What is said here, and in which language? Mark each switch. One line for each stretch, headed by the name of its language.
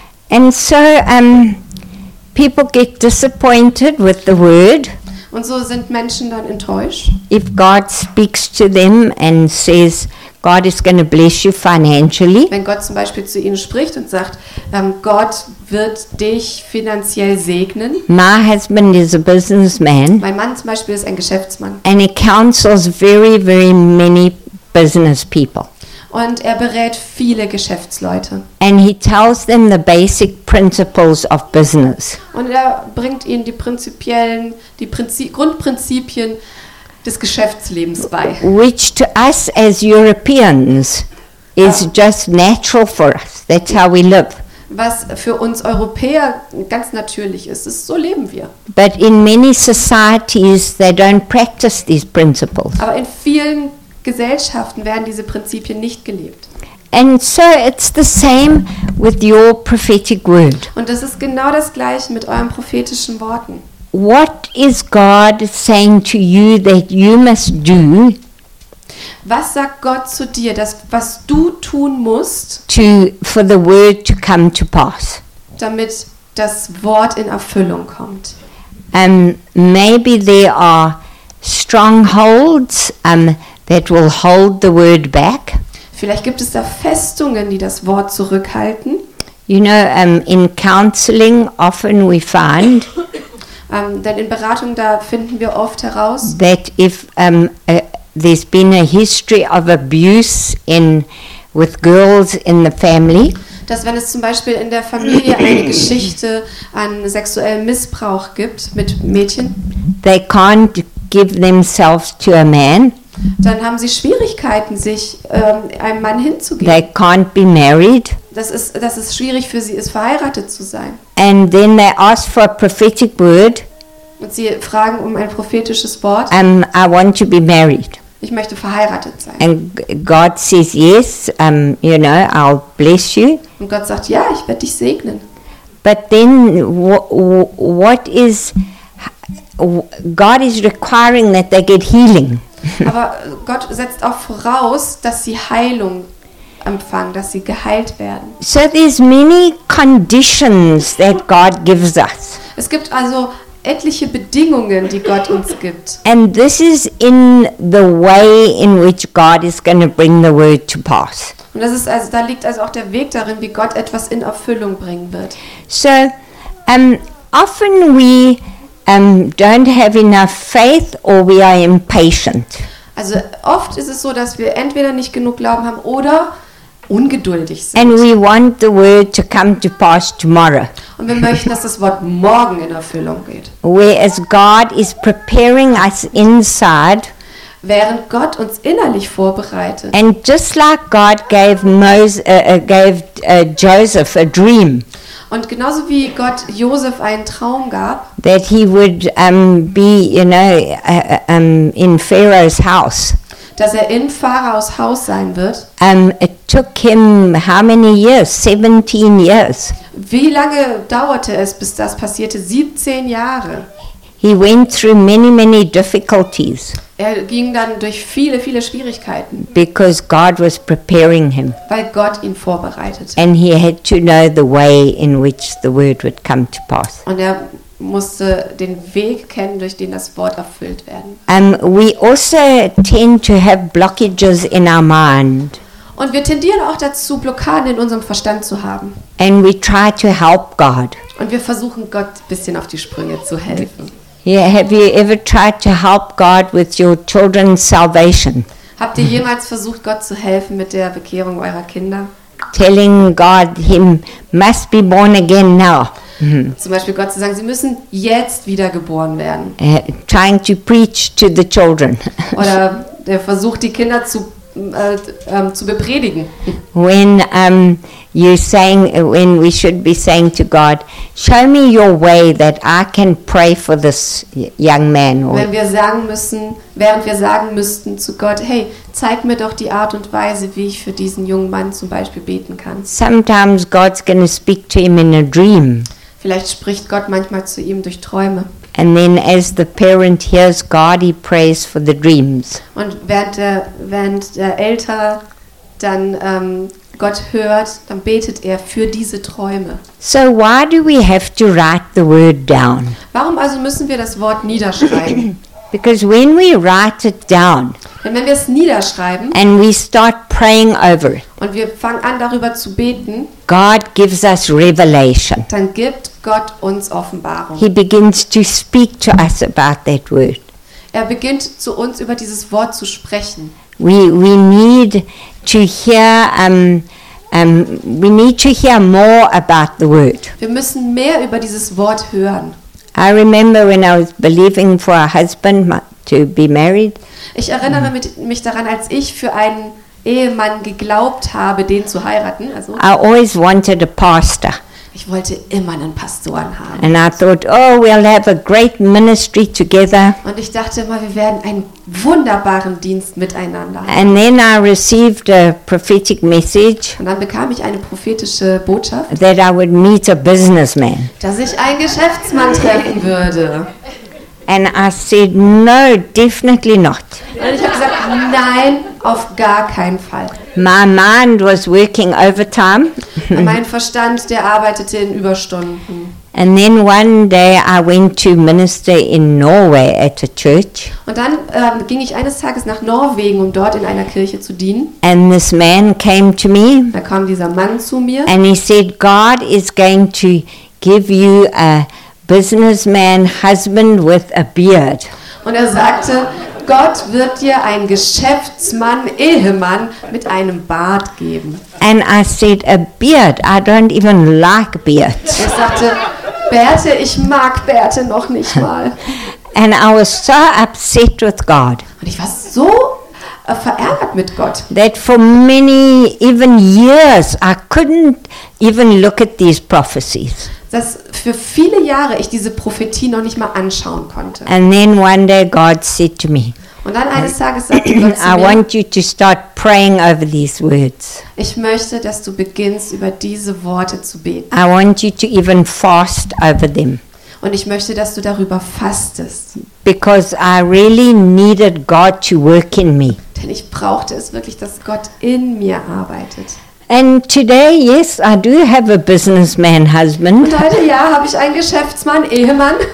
English: And so people get disappointed with the word.
German: Und so sind Menschen dann enttäuscht.
English: If God speaks to them and says, God is going to bless you financially.
German: Wenn Gott zum Beispiel zu ihnen spricht und sagt, Gott wird dich finanziell segnen.
English: My husband is a businessman.
German: Mein Mann zum Beispiel ist ein Geschäftsmann.
English: And he counsels very, very many business people.
German: und er berät viele Geschäftsleute.
English: And he tells them the basic principles of business.
German: Und er bringt ihnen die prinzipiellen, die Grundprinzipien des Geschäftslebens bei.
English: Which to us as Europeans is just natural for us. That's how we live.
German: Was für uns Europäer ganz natürlich ist, ist, so leben wir.
English: But in many societies they don't practice these principles.
German: Aber in vielen Gesellschaften werden diese Prinzipien nicht gelebt.
English: And so it's the same with your prophetic word.
German: Und das ist genau das gleiche mit euren prophetischen Worten.
English: What is God saying to you that you must do?
German: Was sagt Gott zu dir, das, was du tun musst,
English: to, for the word to come to pass.
German: Damit das Wort in Erfüllung kommt?
English: Maybe there are strongholds that will hold the word back.
German: Vielleicht gibt es da Festungen, die das Wort zurückhalten.
English: You know, in counseling often we find.
German: Denn in Beratung da finden wir oft heraus,
English: that if there's been a history of abuse in with girls in the family,
German: dass wenn es zum Beispiel in der Familie eine Geschichte an sexuellem Missbrauch gibt mit Mädchen,
English: they can't give themselves to a man,
German: dann haben sie Schwierigkeiten, sich einem Mann hinzugeben.
English: They can't be married.
German: Das ist schwierig für sie, ist verheiratet zu sein.
English: And then they ask for a prophetic word.
German: Und sie fragen um ein prophetisches Wort.
English: I want to be married.
German: Ich möchte verheiratet sein.
English: And God says yes, you know, I'll bless you.
German: Und Gott sagt ja, ich werde dich segnen.
English: But then what is God is requiring that they get healing.
German: Aber Gott setzt auch voraus, dass sie Heilung empfangen, dass sie geheilt werden.
English: So there's many conditions that God gives us.
German: Es gibt also etliche Bedingungen, die Gott uns gibt.
English: And this is in the way in which God is going to bring the word to pass.
German: Und das ist also, da liegt also auch der Weg darin, wie Gott etwas in Erfüllung bringen wird.
English: So often we don't have enough faith or we are impatient.
German: Also oft ist es so, dass wir entweder nicht genug Glauben haben oder ungeduldig sind.
English: And we want the word to come to pass tomorrow.
German: Und wir möchten, dass das Wort morgen in Erfüllung geht.
English: Whereas God is preparing us inside,
German: während Gott uns innerlich vorbereitet.
English: And just like God gave Moses, Joseph a dream.
German: Und genauso wie Gott Josef einen Traum gab,
English: that he would be, you know, in Pharaoh's house.
German: Dass er in Pharaos Haus sein wird.
English: It took him how many years? 17 years.
German: Wie lange dauerte es, bis das passierte? 17 Jahre.
English: He went through many, many difficulties.
German: Er ging dann durch viele, viele Schwierigkeiten.
English: Because God was preparing him.
German: Weil Gott ihn vorbereitete.
English: And he had to know the way in which the word would come to pass.
German: Und er musste den Weg kennen, durch den das Wort erfüllt werden.
English: We also tend to have blockages in our mind.
German: Und wir tendieren auch dazu, Blockaden in unserem Verstand zu haben.
English: And we try to help God.
German: Und wir versuchen, Gott ein bisschen auf die Sprünge zu helfen.
English: Yeah, have you ever tried to help God with your children's salvation?
German: Habt ihr jemals versucht, Gott zu helfen mit der Bekehrung eurer Kinder?
English: Telling God he must be born again now.
German: Zum Beispiel Gott zu sagen, sie müssen jetzt wiedergeboren werden.
English: Trying to preach to the children.
German: Oder der Versuch, die Kinder zu bepredigen.
English: When when we should be saying to God, show me your way that I can pray for this young man.
German: Wenn wir sagen müssen, während wir sagen müssten zu Gott, hey, zeig mir doch die Art und Weise, wie ich für diesen jungen Mann zum Beispiel beten kann.
English: Sometimes God's gonna speak to him in a dream.
German: Vielleicht spricht Gott manchmal zu ihm durch Träume.
English: And then as the parent hears God, he prays for the dreams.
German: Und während der Eltern dann Gott hört, dann betet er für diese Träume.
English: So why do we have to write the word down?
German: Warum also müssen wir das Wort niederschreiben?
English: Because when we write it down,
German: denn wenn wir es niederschreiben,
English: and we start praying over it,
German: und wir fangen an darüber zu beten,
English: God gives us revelation.
German: Dann gibt Gott uns Offenbarung.
English: He begins to speak to us about that word.
German: Er beginnt zu uns über dieses Wort zu sprechen.
English: we need to hear we need to hear more about the word.
German: Wir müssen mehr über dieses Wort hören.
English: I remember when I was believing for a husband to be married.
German: Ich erinnere mich daran, als ich für einen Ehemann geglaubt habe, den zu heiraten. Also,
English: I always wanted a pastor.
German: Ich wollte immer einen Pastoren haben.
English: And I thought, oh, we'll have a great ministry together.
German: Und ich dachte immer, wir werden einen wunderbaren Dienst miteinander haben.
English: And then I received a prophetic message.
German: Und dann bekam ich eine prophetische Botschaft,
English: that I would meet a businessman.
German: Dass ich einen Geschäftsmann treffen würde.
English: And I said, no, definitely not.
German: Und ich habe gesagt, nein, auf gar keinen Fall.
English: My mind was working overtime.
German: Mein Verstand, der arbeitete in Überstunden.
English: And then one day I went to minister in Norway at a church.
German: Und dann ging ich eines Tages nach Norwegen, um dort in einer Kirche zu dienen.
English: And this man came to me.
German: Da kam dieser Mann zu mir.
English: And he said, God is going to give you a businessman husband with a beard.
German: Und er sagte, Gott wird dir einen Geschäftsmann, Ehemann mit einem Bart geben.
English: And I said, a beard. I don't even like beards.
German: Ich sagte, Bärte, ich mag Bärte noch nicht mal.
English: And I was so upset with God.
German: Und ich war so verärgert mit Gott.
English: That for many even years I couldn't even look at these prophecies.
German: Dass für viele Jahre ich diese Prophetie noch nicht mal anschauen konnte.
English: And then one day God said to me,
German: und dann eines Tages sagte Gott zu mir,
English: I want you to start praying over these words.
German: Ich möchte, dass du beginnst, über diese Worte zu beten.
English: I want you to even fast over them.
German: Und ich möchte, dass du darüber fastest.
English: Because I really needed God to work in me.
German: Denn ich brauchte es wirklich, dass Gott in mir arbeitet.
English: And today, yes, I do have a businessman husband.
German: Und heute, ja, habe ich einen Geschäftsmann, Ehemann.